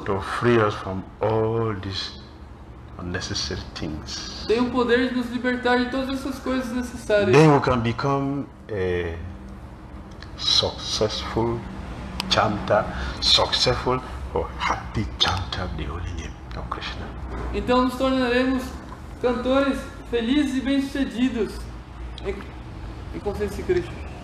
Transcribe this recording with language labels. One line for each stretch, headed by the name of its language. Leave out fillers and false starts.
English: To free us from all these unnecessary things.
Portuguese: Tem o poder de nos libertar de todas essas coisas necessárias.
English: Then we can become a successful chanter, successful or happy chanter of the holy name of Krishna.
Portuguese: Então nos tornaremos cantores felizes e bem-sucedidos em consciência de Krishna.